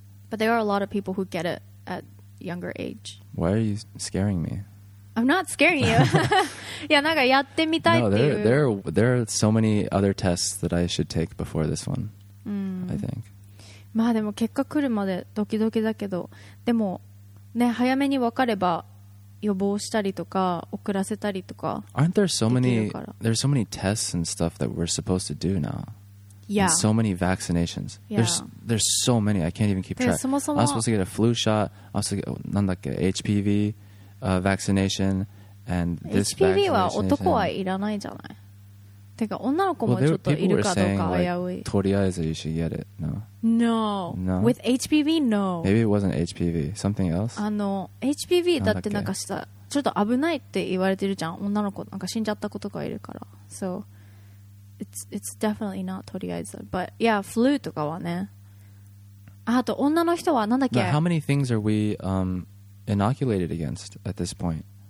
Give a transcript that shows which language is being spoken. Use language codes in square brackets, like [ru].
[en] But there are a lot of people who get it at younger age. Why are you scaring me? I'm not scaring you. Yeah, [ja] なんかやってみたいっていう。 [en] No, there are so many other tests that I should take before this one, I think. [ja] まあでも結果来るまでドキドキだけど、でもね、早めに分かれば予防したりとか遅らせたりとか。 [en] Aren't there so many there's so many tests and stuff that we're supposed to do now? Yeah. And so many vaccinations. Yeah. There's so many. I can't even keep track. [ja] そもそも [en] I'm supposed to get a flu shot. I'm supposed to get [ja] なんだっけ [en] HPV vaccination and this [ja] HPV vaccination. HPV は男はいらないじゃない。てか女の子もちょっといるかどうか危うい。 [en] Well, people were saying, like, [ja] とりあえず [en] you should get it. No. No. No. With HPV, no. Maybe it wasn't HPV. Something else? [ja] HPV だってなんかした、ちょっと危ないって言われてるじゃん。女の子なんか死んじゃったことがいるから。 [en] So, it's definitely not [ja] とりあえず。 [en] But yeah, flu とかはね。 [ja] あと女の人はなんだっけ。 [en] Now, how many things are we inoculated against at this point?